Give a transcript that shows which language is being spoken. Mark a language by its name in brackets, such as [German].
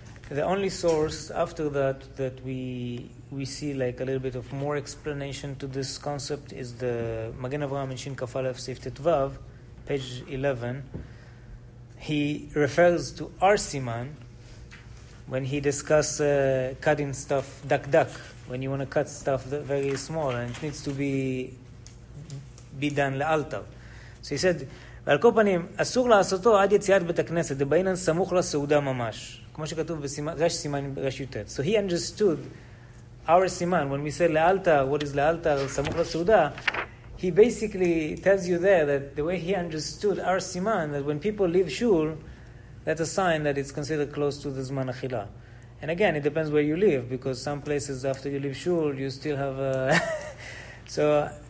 [English] The only source after that that we see like a little bit of more explanation to this concept is the Magen Avraham in Shin Kaf Alef Seif Tetvav, page 11. He refers to Arsiman when he discusses cutting stuff duck-duck, when you want to cut stuff very small and it needs to be done le'altar. So he said, [Hebrew] ועל כל פנים, אסור לעשותו עד יציאת בית הכנסת, דבעינן סמוך לסעודה ממש. כמו שכתוב בראש סימן ראש יוטט. [English] So he understood our סימן, when we say le'altar, what is le'altar, סמוך לסעודה, he basically tells you there that the way he understood our סימן, that when people leave shul, that's a sign that it's considered close to the זמן אכילה. And again, it depends where you live, because some places after you leave shul, you still have so...